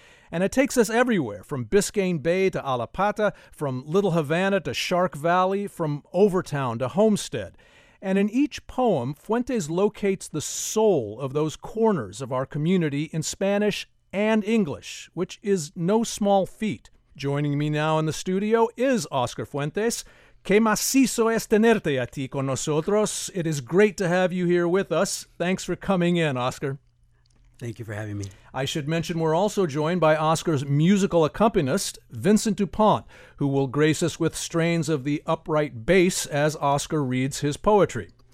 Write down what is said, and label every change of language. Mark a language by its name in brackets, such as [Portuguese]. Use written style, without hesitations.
[English] And it takes us everywhere, from Biscayne Bay to Alapata, from Little Havana to Shark Valley, from Overtown to Homestead. And in each poem, Fuentes locates the soul of those corners of our community in Spanish and English, which is no small feat. Joining me now in the studio is Oscar Fuentes. [Spanish] Qué macizo es tenerte a ti con nosotros. [English] It is great to have you here with us. Thanks for coming in, Oscar. Thank you for having me. I should mention we're also joined by Oscar's musical accompanist, Vincent DuPont, who will grace us with strains of the upright bass as Oscar reads his poetry.